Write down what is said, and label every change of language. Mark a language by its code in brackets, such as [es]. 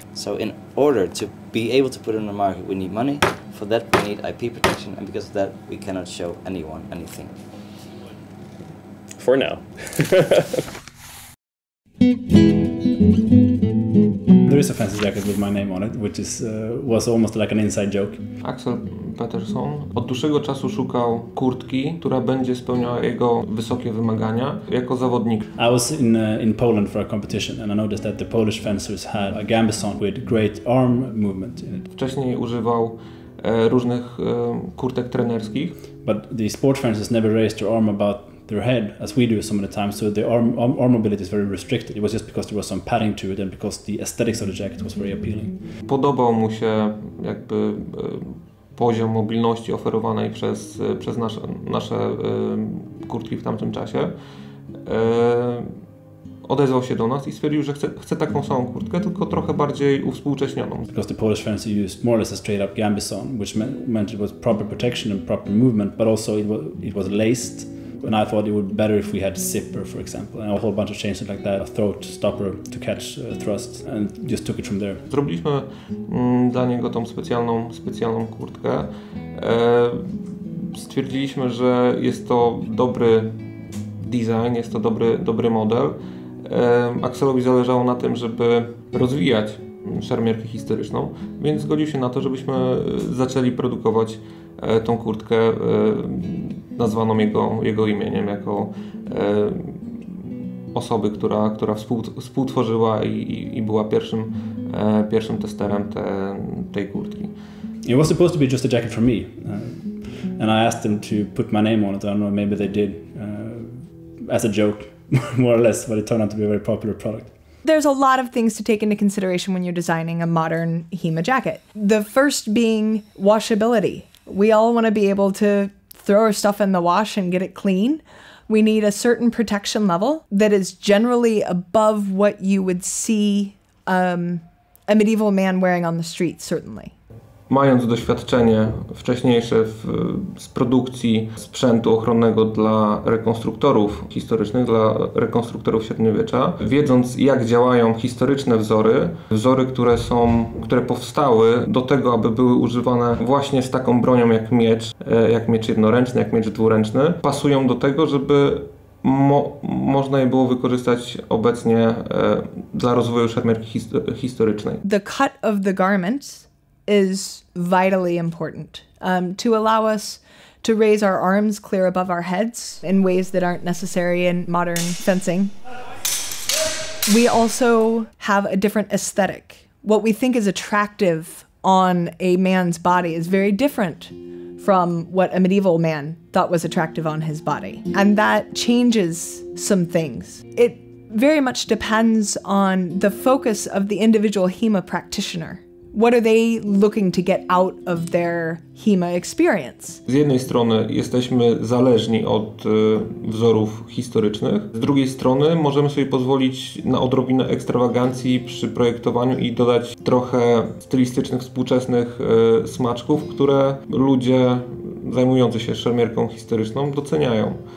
[en] So in order to be able to put it on the market, we need money. For that, we need IP protection. And because of that, we cannot show anyone anything. For now. There is a fancy jacket with my name on it, which is was almost like an inside joke. [pl] Axel Peterson od dłuższego czasu szukał kurtki, która będzie spełniała jego wysokie wymagania jako zawodnik. [en] I was in Poland for a competition and I noticed that the Polish fencers had a gambeson with great arm movement in it. [pl] Wcześniej używał różnych kurtek trenerskich. [en] But the sport fencers never raised their arm about their head as we do some of the time, so the arm mobility is very restricted. It was just because there was some padding to it and because the aesthetics of the jacket was very appealing. [pl] Podobał mu się jakby poziom mobilności oferowanej przez nasze kurtki w tamtym czasie. Odezwał się do nas i stwierdził, że chce taką samą kurtkę, tylko trochę bardziej uwspółcześnioną. [en] Because the Polish fans used more or less a straight up gambeson, which meant it was proper protection and proper movement, but also it was laced. And I thought it would be better if we had zipper, for example, and a whole bunch of changes like that, a throat stopper to catch thrust, and just took it from there. [pl] Zrobiliśmy dla niego tą specjalną kurtkę. Stwierdziliśmy, że jest to dobry design, jest to dobry model. Axelowi zależało na tym, żeby rozwijać szermierkę historyczną, więc zgodził się na to, żebyśmy zaczęli produkować tą kurtkę nazwaną jego imieniem, jako osoby, która współtworzyła i była pierwszym testerem tej kurtki. [en] It was supposed to be just a jacket for me. And I asked them to put my name on it. I don't know, maybe they did. As a joke, more or less, but it turned out to be a very popular product. There's a lot of things to take into consideration when you're designing a modern HEMA jacket. The first being washability. We all want to be able to throw our stuff in the wash and get it clean. We need a certain protection level that is generally above what you would see a medieval man wearing on the street, certainly. [pl] Mając doświadczenie wcześniejsze z produkcji sprzętu ochronnego dla rekonstruktorów historycznych, dla rekonstruktorów średniowiecza, wiedząc jak działają historyczne wzory, wzory, które powstały do tego, aby były używane właśnie z taką bronią jak miecz jednoręczny, jak miecz dwuręczny, pasują do tego, żeby można je było wykorzystać obecnie dla rozwoju szermierki historycznej. [en] The cut of the garment is vitally important to allow us to raise our arms clear above our heads in ways that aren't necessary in modern fencing. We also have a different aesthetic. What we think is attractive on a man's body is very different from what a medieval man thought was attractive on his body. And that changes some things. It very much depends on the focus of the individual HEMA practitioner. What are they looking to get out of their HEMA experience? [pl] Z jednej strony jesteśmy zależni od wzorów historycznych. Z drugiej strony możemy sobie pozwolić na odrobinę ekstrawagancji przy projektowaniu i dodać trochę stylistycznych, współczesnych smaczków, które ludzie zajmujący się szermierką historyczną doceniają.